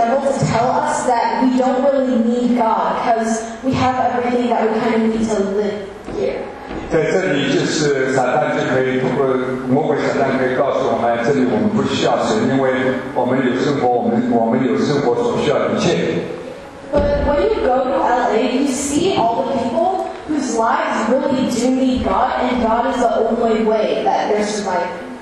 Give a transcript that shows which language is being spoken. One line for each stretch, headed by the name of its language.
English: devil to tell us that we don't really need God because we have everything that we kind of need to live here.
Chinese: 在这里就是撒旦就可以通过魔鬼撒旦可以告诉我们，这里我们不需要神，因为我们有生活，我们有生活所需要的一切。
English: But when you go to LA, you see all the people whose lives really do need God, and God is the only way that they're surviving.